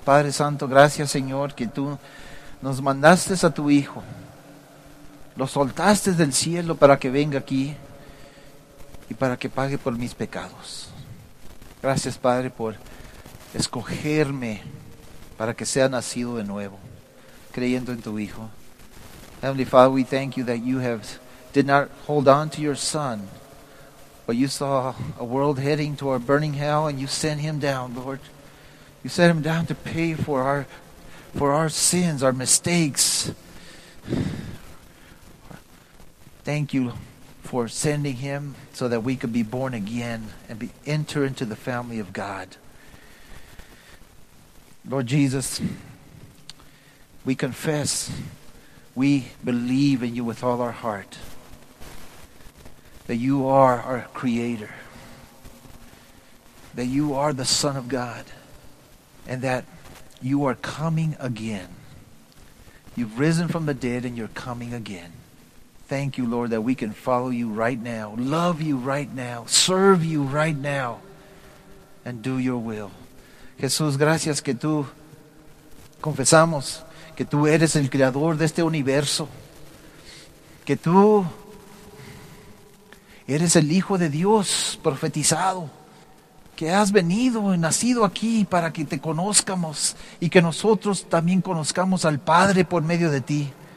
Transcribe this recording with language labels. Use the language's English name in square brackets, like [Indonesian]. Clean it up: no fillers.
[Spanish] Padre Santo, gracias Señor que tú nos mandaste a tu Hijo. Lo soltaste del cielo para que venga aquí y para que pague por mis pecados. Gracias, Padre, por escogerme para que sea nacido de nuevo, creyendo en tu Hijo. [English] Heavenly Father, we thank you that you have did not hold on to your Son, but you saw a world heading toward burning hell and you sent him down, Lord. You sent him down to pay for our sins, our mistakes. Thank you for sending him so that we could be born again and enter into the family of God. Lord Jesus, we confess, we believe in you with all our heart, that you are our creator, that you are the Son of God, and that you are coming again. You've risen from the dead and you're coming again. Thank you, Lord, that we can follow you right now, love you right now, serve you right now, and do your will. [Spanish] Jesús, gracias que tú confesamos que tú eres el creador de este universo, que tú eres el Hijo de Dios profetizado, que has venido y nacido aquí para que te conozcamos y que nosotros también conozcamos al Padre por medio de ti.